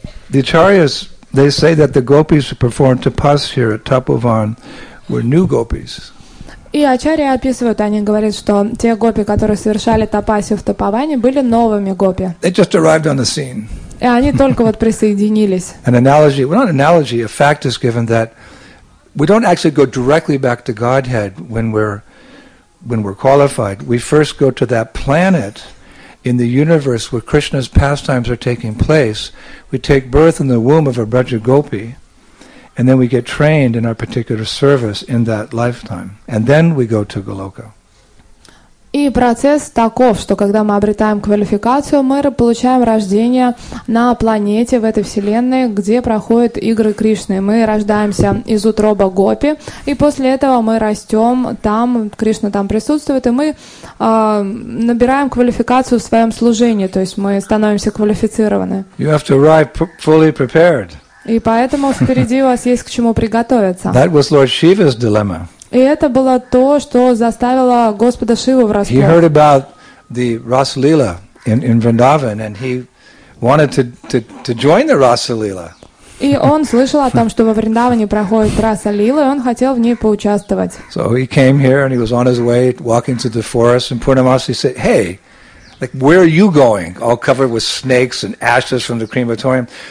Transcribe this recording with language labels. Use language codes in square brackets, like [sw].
[en] The acharyas, they say that the gopis who performed tapas here at Tapovan were new gopis. [ru] И ачарьи описывают, они говорят, что те гопи, которые совершали тапасию в Тапаване, были новыми гопи. [en] They just arrived on the scene. [ru] И они только вот присоединились. [en] An analogy, well, not analogy, a fact is given that we don't actually go directly back to Godhead when we're qualified. We first go to that planet in the universe where Krishna's pastimes are taking place. We take birth in the womb of a Braja Gopi, and then we get trained in our particular service in that lifetime. And then we go to Goloka. [ru] И процесс таков, что когда мы обретаем квалификацию, мы получаем рождение на планете, в этой вселенной, где проходят игры Кришны. Мы рождаемся из утроба Гопи, и после этого мы растем там, Кришна там присутствует, и мы набираем квалификацию в своем служении, то есть мы становимся квалифицированы. [en] You have to arrive fully prepared. [ru] И поэтому впереди у вас есть к чему приготовиться. [en] That was Lord Shiva's dilemma. [ru] И это было то, что заставило Господа Шиву врасплох. [en] He heard about the Rasalila in Vrindavan, and he wanted to join the Rasalila. [ru] И он слышал о том, что во Вриндаване проходит Расалила, и он хотел в ней поучаствовать. [en] So he came here, and he was on his way, walking through the forest, and Purnamasi said, "Hey, like, where are you going? All covered with snakes and ashes from the crematorium.